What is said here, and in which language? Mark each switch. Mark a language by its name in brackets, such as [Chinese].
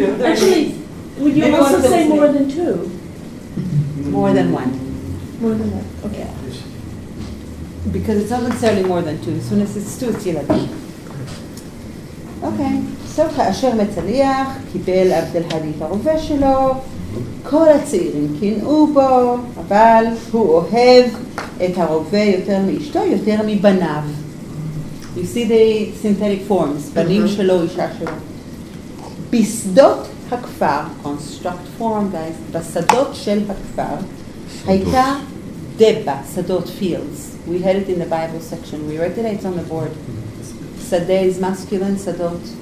[English] Actually, would you they also say more than two? More than one. More than one. Okay. Because it's not necessarily more than two. As soon as it's two, it's yeladim. Okay. [Hebrew] טוב, כאשר מצליח, קיבל עבד אל-הדי את הרובה שלו, כל הצעירים קינאו בו, אבל הוא אוהב את הרובה יותר מאשתו, יותר מבניו. [English] You see the synthetic forms, [Hebrew] בנים שלו, אישה שלו. בשדות הכפר, [English] construct form, guys, [Hebrew] בשדות של הכפר, הייתה דבה, שדות fields. [English] We had it in the Bible section. We read today, it's on the board. שדה is masculine, שדות.